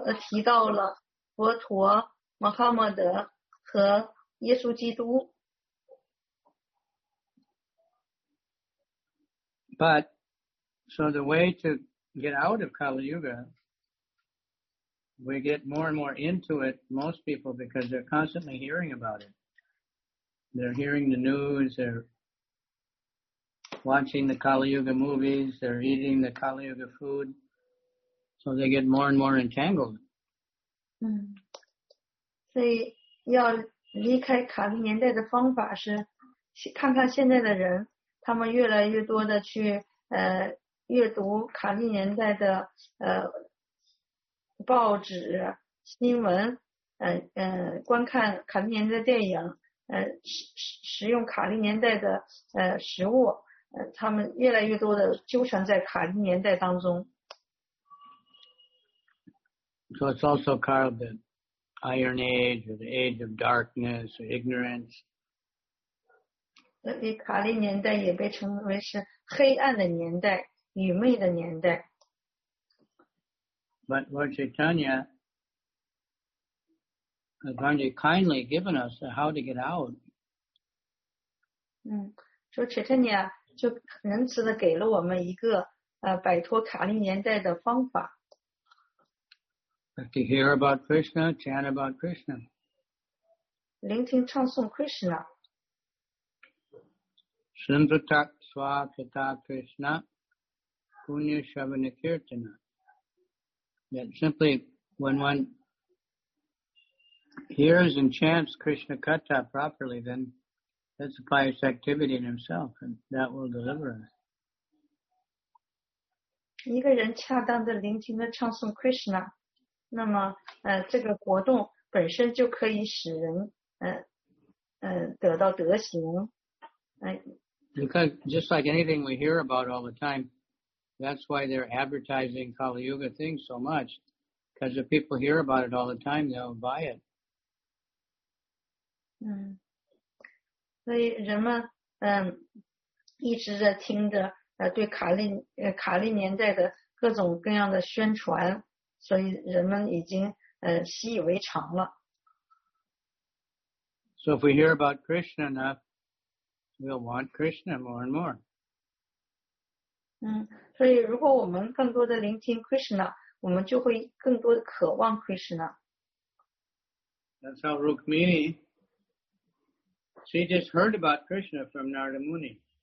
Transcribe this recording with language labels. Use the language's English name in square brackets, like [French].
[Chinese] 提到了佛陀、穆罕默德和耶稣基督。 [English] But, so the way to get out of Kali Yuga,We get more and more into it, most people, because they're constantly hearing about it. They're hearing the news, they're watching the Kali Yuga movies, they're eating the Kali Yuga food. So they get more and more entangled. [Chinese] 所以要离开卡利年代的方法是看看现在的人，他们越来越多的去阅读卡利年代的报纸、新闻，观看卡利年代的电影，使用卡利年代的食物，他们越来越多的纠缠在卡利年代当中。 [English] So it's also called the Iron Age or the Age of Darkness or Ignorance. [Chinese] 卡利年代也被称为是黑暗的年代、愚昧的年代。 [English] But Lord Chaitanya has already kindly given us how to get out. [Chinese] 说 Chaitanya 就仁慈地给了我们一个摆脱卡利年代的方法。 [English] To hear about Krishna, chant about Krishna. [Chinese] 聆听唱诵 Krishna. [Sanskrit] Sintatak Swakita Krishna Punya Shavana Kirtana. [English] That simply when one hears and chants Krishna Katha properly, then that's a pious activity in himself, and that will deliver us. [Chinese] 一个人恰当的聆听的唱诵 Krishna, 那么这个活动本身就可以使人得到德行。 [English] Because just like anything we hear about all the time,That's why they're advertising Kali Yuga things so much. Because if people hear about it all the time, they'll buy it. [Chinese] 所以人们一直在听着对卡利年代的各种各样的宣传，所以人们已经习以为常了。 [English] So if we hear about Krishna enough, we'll want Krishna more and more. [Chinese] 所以如果我们更多的聆听 Krishna, 我们就会更多的渴望 Krishna. [English] That's how Rukmini, she just heard about Krishna from Narada Muni.